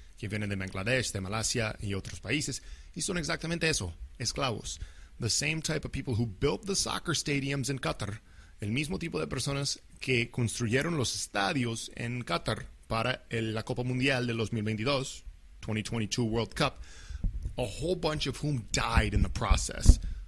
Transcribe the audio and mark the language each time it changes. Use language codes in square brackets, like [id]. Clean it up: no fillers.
[es] Que vienen de Bangladesh, de Malasia y otros países. Y son exactamente eso, esclavos. [en] The same type of people who built the soccer stadiums in Qatar. [es] El mismo tipo de personas que construyeron los estadios en Qatar para la Copa Mundial de 2022, [en] 2022 World Cup. A whole bunch of whom died in the process.